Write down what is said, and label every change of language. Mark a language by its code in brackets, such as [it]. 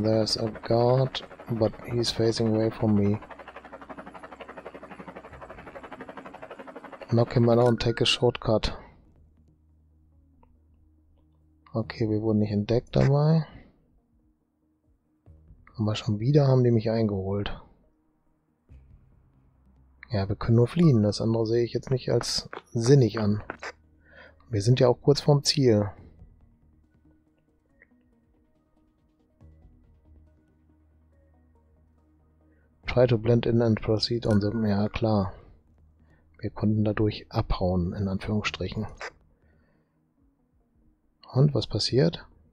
[en] There's a guard, but he's facing away from me. Knock him out and take a shortcut. [de] Okay, wir wurden nicht entdeckt dabei. Aber schon wieder haben die mich eingeholt. Ja, wir können nur fliehen. Das andere sehe ich jetzt nicht als sinnig an. Wir sind ja auch kurz vorm Ziel. [en] Try to blend in and proceed on the... [de] Ja, klar. Wir konnten dadurch abhauen, in Anführungsstrichen. Und, was passiert?